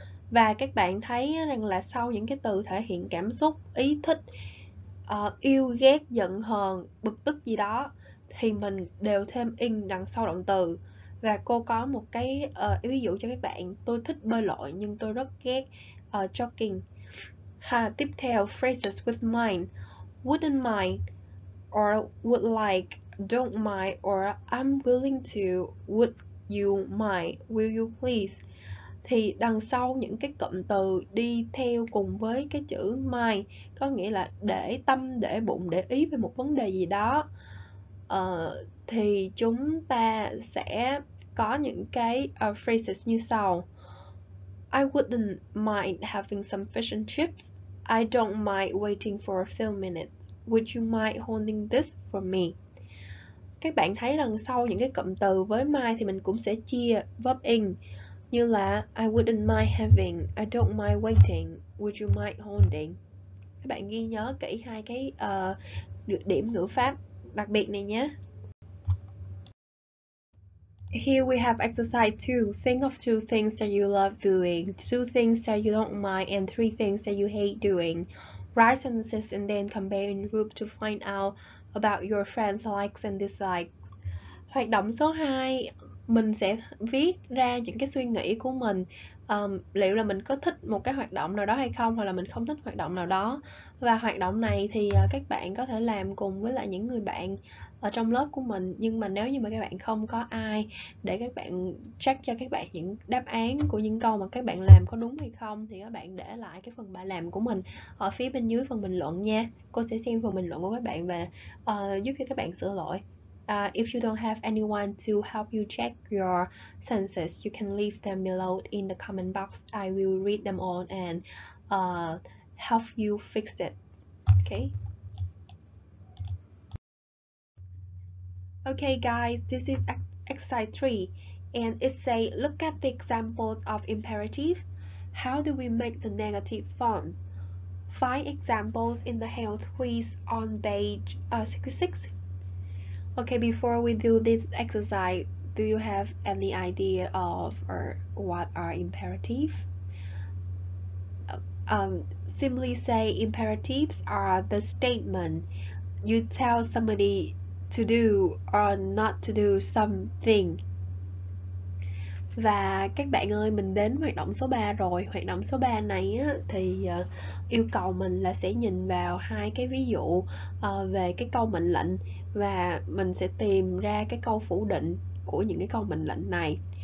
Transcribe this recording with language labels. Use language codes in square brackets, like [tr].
[vi] Và các bạn thấy rằng là sau những cái từ thể hiện cảm xúc, ý thích, yêu ghét, giận hờn, bực tức gì đó thì mình đều thêm ing đằng sau động từ. Và cô có một cái ví dụ cho các bạn: tôi thích bơi lội nhưng tôi rất ghét jogging. [en] Ha, [vi] tiếp theo, [en] phrases with mind: wouldn't mind, or would like, don't mind, or I'm willing to, would you mind, will you please. [vi] Thì đằng sau những cái cụm từ đi theo cùng với cái chữ mind có nghĩa là để tâm, để bụng, để ý về một vấn đề gì đó. Thì chúng ta sẽ có những cái phrases như sau: [en] I wouldn't mind having some fish and chips. I don't mind waiting for a few minutes. Would you mind holding this for me? [vi] Các bạn thấy đằng sau những cái cụm từ với mind thì mình cũng sẽ chia verb in như là [en] I wouldn't mind having, I don't mind waiting, would you mind holding? [vi] Các bạn ghi nhớ kỹ hai cái điểm ngữ pháp đặc biệt này nhé. [en] Here we have exercise 2. Think of two things that you love doing, two things that you don't mind, and three things that you hate doing. Write sentences and then compare in group to find out about your friends' likes and dislikes. [vi] Hoạt động số 2, mình sẽ viết ra những cái suy nghĩ của mình, liệu là mình có thích một cái hoạt động nào đó hay không, hoặc là mình không thích hoạt động nào đó. Và hoạt động này thì các bạn có thể làm cùng với lại những người bạn ở trong lớp của mình, nhưng mà nếu như mà các bạn không có ai để các bạn check cho các bạn những đáp án của những câu mà các bạn làm có đúng hay không, thì các bạn để lại cái phần bài làm của mình ở phía bên dưới phần bình luận nha. Cô sẽ xem phần bình luận của các bạn và giúp cho các bạn sửa lỗi. [en] If you don't have anyone to help you check your sentences, you can leave them below in the comment box. I will read them all and help you fix it. Okay. Okay, guys, this is exercise 3, and it says look at the examples of imperative. How do we make the negative form? Find examples in the help quiz on page 66. Okay, before we do this exercise, do you have any idea of or what are imperative? Simply say imperatives are the statement you tell somebody to do or not to do something. [vi] Và các bạn ơi, mình đến hoạt động số 3 rồi. Hoạt động số 3 này á, thì yêu cầu mình là sẽ nhìn vào hai cái ví dụ về cái câu mệnh lệnh, và mình sẽ tìm ra cái câu phủ định của những cái câu mệnh lệnh này.